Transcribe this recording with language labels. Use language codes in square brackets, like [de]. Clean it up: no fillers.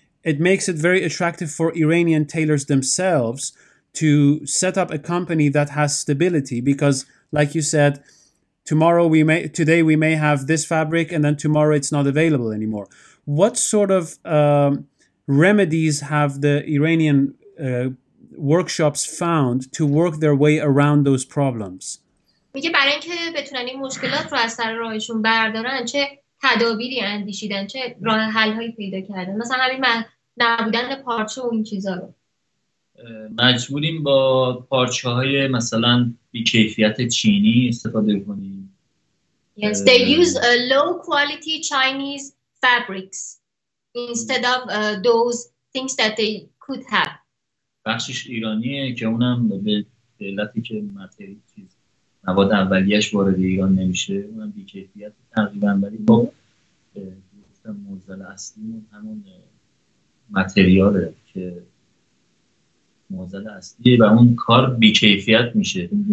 [en] it makes it very attractive for Iranian tailors themselves to set up a company that has stability, because like you said, today we may have this fabric, and then tomorrow it's not available anymore. What sort of remedies have the Iranian workshops found to work their way around those problems? [fa] میگه برای اینکه بتونن این مشکلات رو از سر راهشون بردارن، چه تدابیری اندیشیدن، چه راه حل‌هایی پیدا کردن. مثلا همین نبودن پارچه و این چیزا رو. مجبوریم با پارچه های مثلا بیکیفیت چینی استفاده کنیم. [en] Yes, they use a low quality Chinese fabrics instead of those things that they could have. [fa] بخشش ایرانیه که اونم به علتی که مواد اولیش وارد ایران نمیشه، اونم بیکیفیت تقریبا، ولی با موزل اصلی همون متریاله که موزل اصلیه و اون کار بیکیفیت میشه.